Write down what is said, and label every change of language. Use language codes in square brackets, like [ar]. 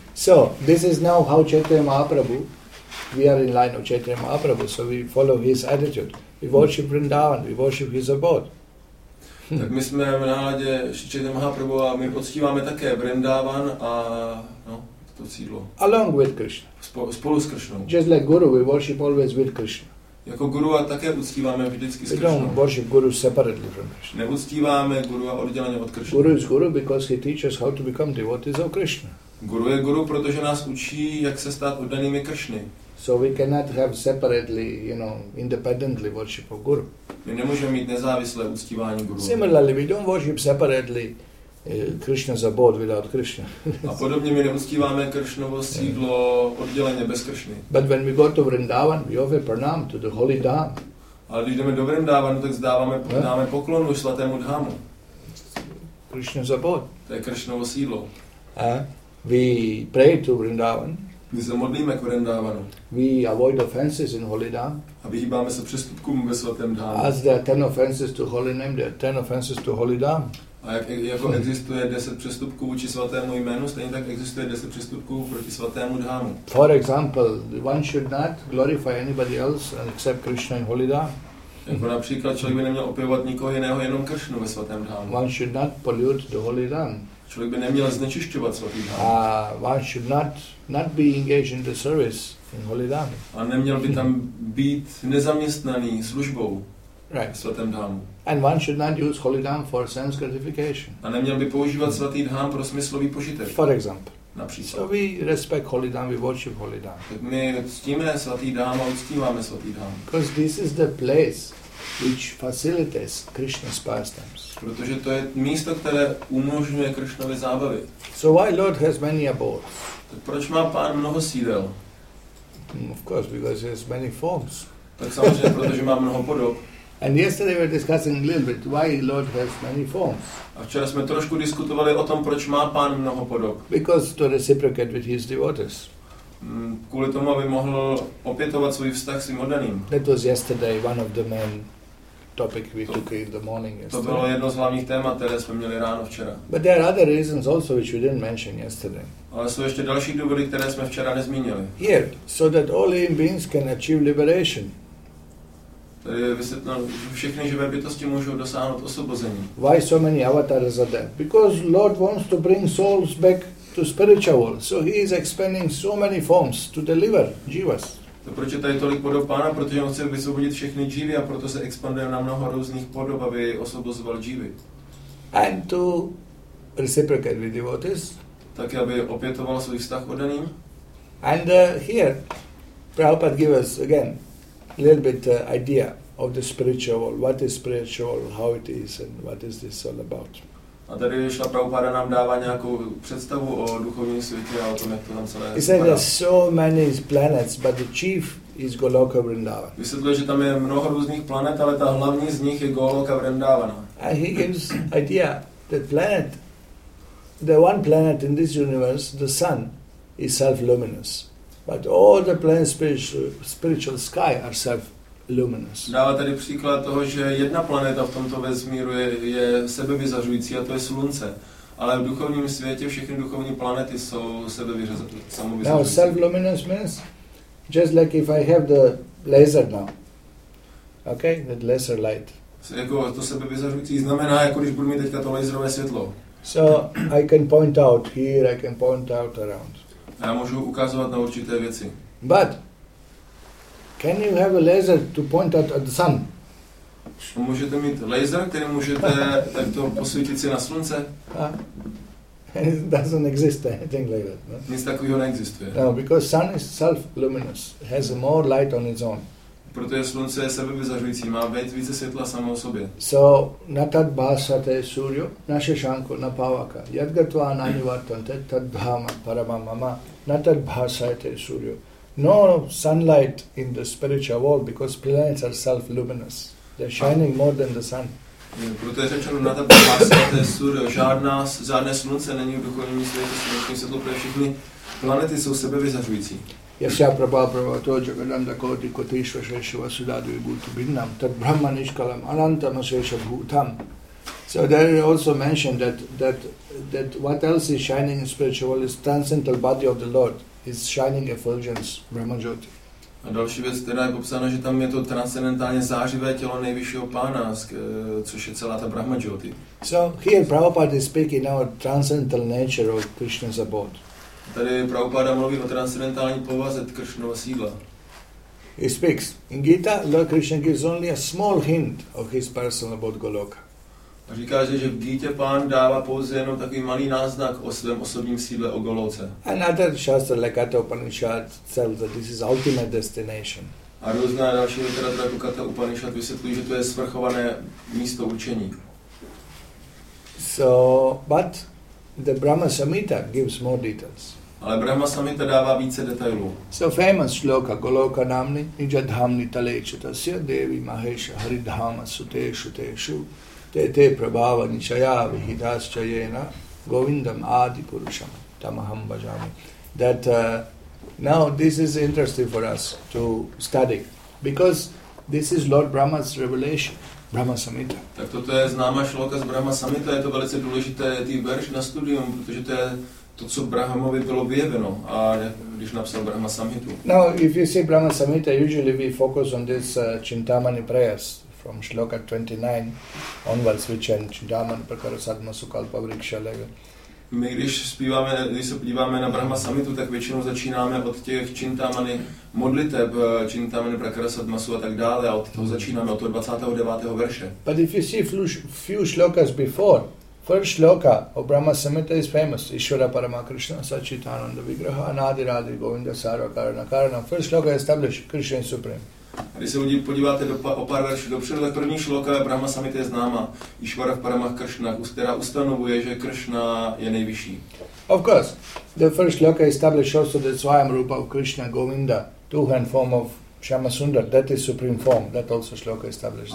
[en] So, this is now how Chaitanya Mahaprabhu, we are in line of Chaitanya Mahaprabhu, so we follow his attitude. We worship Vrindavan, we worship his abode. [cs] Tak my jsme v náladě Chaitanya Mahaprabhu a my poctíváme také Vrindavan a no, to cílo. [en] Along with Krishna. [cs] Spolu s Krishnou. [en] Just like guru, we worship always with Krishna. [cs] Jako guru a také uctíváme vždycky s [en] Krishnou. We don't worship guru separately from Krishna. [cs] Neuctíváme guru a odděleně od Krishna. [en] Guru is guru because he teaches how to become devotees of Krishna. [cs] Guru je guru, protože nás učí, jak se stát oddanými Krishny. [en] So we cannot have separately, you know, independently worship of guru. [cs] My nemůžeme mít nezávislé uctívání guru. [en] Similarly, we don't worship separately Krishna's abode without Krishna. [cs] A podobně my neuctíváme Krishnovo sídlo odděleně bez Krishny. [en] But when we go to Vrindavan, we offer pranam to the holy dham. [cs] Ale když jdeme do Vrindavanu, tak zdáváme, dáme poklonu svatému dhamu. [en] Krishna's abode. [cs] To je Krishnovo sídlo. [en] We pray to Vrindavan. [cs] My se modlíme k Vrindavanu. [en] We avoid offenses in holy dham. [cs] A vyhýbáme se přestupkům ve svatém dhamu. [en] As there are 10 offenses to holy name, there are 10 offenses to holy dham. [cs] A jako existuje 10 přestupků vůči svatému jménu, stejně tak existuje 10 přestupků proti svatému dhámu. [en] For example, one should not glorify anybody else and accept Krishna in holy dham. [cs] Jako například člověk by neměl opěvovat nikoho jiného, jenom Krishnu ve svatém dhámu. [en] One should not pollute the holy dham. [cs] Člověk by neměl znečišťovat svatý dham. [en] One should not be engaged in the service in holy dham. [cs] A neměl by tam být nezaměstnaný službou. [en] Right. And one should not use holy dham for sense gratification. [cs] A neměl by používat svatý dham pro smyslový požitek. [en] For example. [cs] Například. [en] So we respect holy dham, we worship holy dham. [cs] Tak my ctíme svatý dham a uctíváme svatý dham. [en] Because this is the place which facilitates Krishna's pastimes. [cs] Protože to je místo, které umožňuje Krishnovy zábavy. [en] So why Lord has many abodes? [cs] Tak proč má pán mnoho sídel? [en] Of course, because he has many forms. [cs] Tak samozřejmě, protože má mnoho podob. [en] And yesterday we were discussing a little bit why Lord has many forms. [cs] A včera jsme trošku diskutovali o tom, proč má pán mnoho podob. [en] Because to reciprocate with his devotees. [cs] Kvůli tomu, aby mohl opětovat svůj vztah s svým oddaným. [en] That was yesterday one of the main topics we took in the morning yesterday. [cs] To bylo jedno z hlavních témat, které jsme měli ráno včera. [en] But there are other reasons also which we didn't mention yesterday. [cs] Ale jsou ještě další důvody, které jsme včera nezmínili. [en] Here, so that all living beings can achieve liberation. [cs] Tady je vysvětleno, všechny živé bytosti můžou dosáhnout osvobození. [en] Why so many avatars are there? Because Lord wants to bring souls back to spiritual world. So he is expanding so many forms to deliver jivas. [cs] To proč je tady tolik podob pána? Protože on chce vysvobodit všechny jivy a proto se expanduje na mnoho různých podob, aby osvobozoval jivy. [en] And to reciprocate with devotees. [cs] Taky, aby opětoval svůj vztah oddaným. [en] And here, Prabhupada give us again little bit idea of the spiritual, what is spiritual, how it is, and what is this all about. [cs] A tady Šla Prabhupada nám dává nějakou představu o duchovním světě a o tom, jak to tam celé vypadá. [en] He said there's so many planets, but the chief is Goloka Vrindavan. [cs] Vysvětluje, že tam je mnoho různých planet, ale ta hlavní z nich je Goloka Vrindavana. [en] And he gives idea that planet, the one planet in this universe, the sun, is self-luminous. But all the planets spiritual sky are self-luminous. [cs] Dává tady příklad toho, že jedna planeta v tomto vesmíru je sebevyzařující a to je Slunce. Ale v duchovním světě všechny duchovní planety jsou samovyzařující. [en] Now self-luminous means just like if I have the laser now. Okay, that laser light. [cs] Jako to sebevyzařující znamená, jako když budu mít teďka to laserové světlo. [en] So I can point out here, I can point out around. [cs] Já můžu ukazovat na určité věci. [en] But can you have a laser to point at the sun? [cs] Můžete mít laser, který můžete takto posvítit si na slunce? [en] It doesn't exist anything like that. No? [cs] Nic takového neexistuje. [en] No, because sun is self-luminous, has more light on its own. [cs] Protože slunce je sebevyzařující, má více světla samo o sobě. [sa] So natad bhasate suryo naše shanko napavaka yadgatva anivartante tad bhama parama mama natad bhasate suryo. [en] No sunlight in the spiritual world because planets are self-luminous. They're shining more than the sun. [cs] Protože řečeno [sa] natad bhasate suryo, [cs] žádné slunce není v duchovním světě slunečním světlo, protože všechny planety jsou sebevyzařující. [sa] Yasya prabhaprava to jagananda koti kotishva sheshva sudadu vibhuti binnam tad brahma nishkalam anantam ashesha bhutam. [en] So there is also mentioned that what else is shining in spiritual world is transcendental body of the Lord. It's shining effulgence, Brahma Jyoti. [cs] A další věc, která je popsána, že tam je to transcendentálně zářivé tělo nejvyššího pána, což je celá ta Brahma Jyoti. [en] So here Prabhupada is speaking now transcendental nature of Krishna's abode. [cs] Tady Prabhupada mluví o transcendentální povaze Kršnova síla. [en] He speaks in Gita, Lord Krishna gives only a small hint of his person about Goloka. [cs] A říká, že v Gita pán dává pouze jenom takový malý náznak o svém osobním síle o Goloce. [en] Another shastra like Katha Upanishad tells that this is ultimate destination. [cs] A různá další literatura jako Katha Upanishad vysvětlují, že to je svrchované místo učení. [en] So, but the Brahma Samhita gives more details. [cs] Ale Brahma Samhita dává více detailů. [en] So famous shloka [sa] Goloka namni nijadhamni talechatasya devi mahesha haridhama suteshu teshu tete prabhava nishaya vihidascha yena govindam adi purusham tamaham bhajami. [en] That now this is interesting for us to study because this is Lord Brahma's revelation. Brahma Samhita. [cs] Tak toto je známá šloka z Brahma Samhita, je to velice důležité tý verš na studium, protože to je to, co Brahmovi bylo vyjeveno, a když napsal Brahma Samhitu. [en] Now, if you see Brahma Samhita, usually we focus on this Chintamani prayers from shloka 29 onwards, which are [sa] Chintamani prakara sadma sukalpa vriksha lega. [cs] My když zpíváme, když se podíváme na Brahma Samhitu, tak většinou začínáme od těch Chintamani modliteb, [sa] Chintamani prakrasadmasu [cs] a tak dále, a od toho začínáme od toho 29. verše. [en] But if you see few shlokas before, first shloka of Brahma Samhita is famous, [sa] Ishvara Paramakrishna Sachitananda Vigraha Anadi Radhi Govinda Sarvakarana Karana. [en] First shloka established Krishna is supreme. [cs] Když se podíváte do o pár veršů dopředu, tak první šloka Brahma Samhita je známa, [sa] Ishvara v Paramah Kršna, [cs] která ustanovuje, že Kršna je nejvyšší. [en] Of course, the first shloka establishes also the Svayam Rupa of Krishna, Govinda, two-hand form of Shama Sundar, that is supreme form, that also shloka establishes.